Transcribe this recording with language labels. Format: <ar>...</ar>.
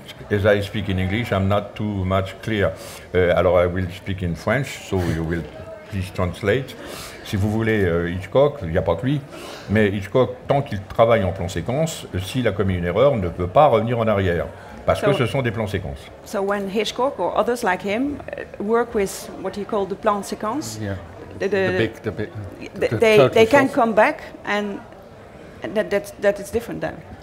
<en>As I speak in English, I'm not too much clear.</en> <fr>Alors,</fr> <en>I will speak in French, so you will please translate.</en> <fr>Si vous voulez, Hitchcock, il n'y a pas que lui, mais Hitchcock, tant qu'il travaille en plan séquence, s'il a commis une erreur, ne peut pas revenir en arrière, parce que ce sont des plans séquences.</fr> <en>So when Hitchcock or others like him work with what he called the plan séquence, they can come back, and that is different then.</en>